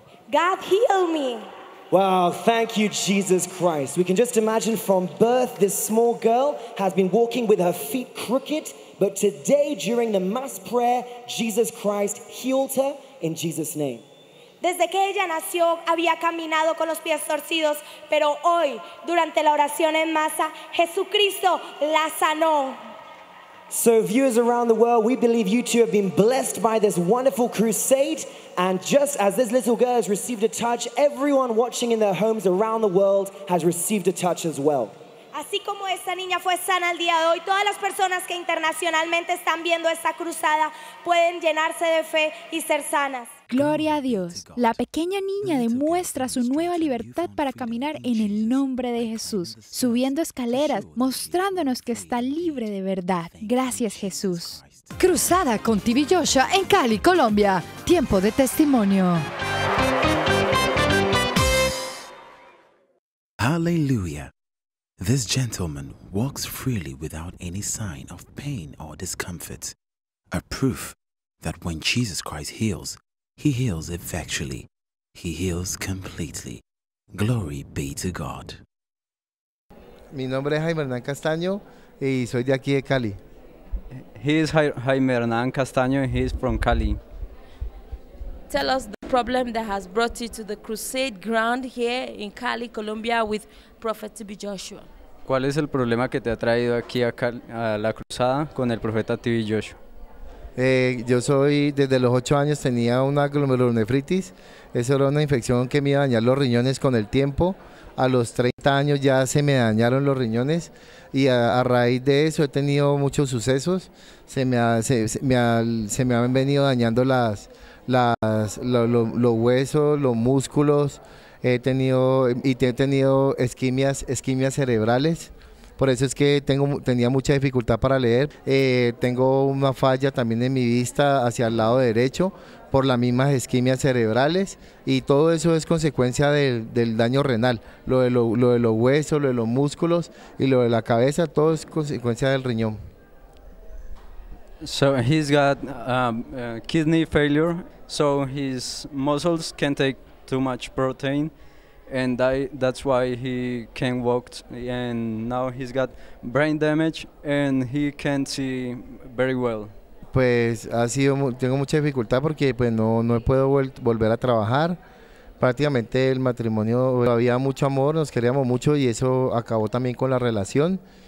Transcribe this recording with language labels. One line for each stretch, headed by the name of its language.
English: God healed me. Wow, thank you, Jesus Christ. We can just imagine from birth, this small girl has been walking with her feet crooked. But today, during the mass prayer, Jesus Christ healed her in Jesus' name.
Spanish: Desde que ella nació, había caminado con los pies torcidos, pero hoy, durante la oración en masa, Jesucristo la sanó.
English: So viewers around the world, we believe you too have been blessed by this wonderful crusade. And just as this little girl has received a touch, everyone watching in their homes around the world has received a touch as well.
Spanish: Así como esta niña fue sana el día de hoy, todas las personas que internacionalmente están viendo esta cruzada pueden llenarse de fe y ser sanas. Gloria a Dios. La pequeña niña demuestra su nueva libertad para caminar en el nombre de Jesús, subiendo escaleras, mostrándonos que está libre de verdad. Gracias, Jesús. Cruzada con TV Joshua en Cali, Colombia. Tiempo de testimonio. Aleluya.
English: This gentleman walks freely without any sign of pain or discomfort, a proof that when Jesus Christ heals, he heals effectually. He heals completely. Glory be to God.
Spanish: Mi nombre es Jaime Hernán Castaño y soy de aquí de Cali.
English: He is Jaime Hernán Castaño and he is from Cali. Tell us the problem that has brought you to the crusade ground here in Cali, Colombia with Prophet TB Joshua.
Spanish: ¿Cuál es el problema que te ha traído aquí a la cruzada con el profeta TB Joshua? Yo soy, desde los 8 años tenía una glomerulonefritis. Eso era una infección que me iba a dañar los riñones con el tiempo. A los 30 años ya se me dañaron los riñones y a raíz de eso he tenido muchos sucesos. Se me han venido dañando los huesos, los músculos. He tenido isquemias cerebrales Por eso es que tenía mucha dificultad para leer. Tengo una falla también en mi vista hacia el lado derecho por las mismas isquemias cerebrales, y todo eso es consecuencia del daño renal. Lo de los huesos, lo de los músculos y lo de la cabeza, todo es consecuencia del riñón.
English: So he's got kidney failure, so his muscles can't take too much protein, and that's why he can't walk, and now he's got brain damage and he can't see very well.
Spanish: Pues tengo mucha dificultad porque pues no he podido volver a trabajar. Prácticamente el matrimonio, había mucho amor, nos queríamos mucho, y eso acabó también con la relación.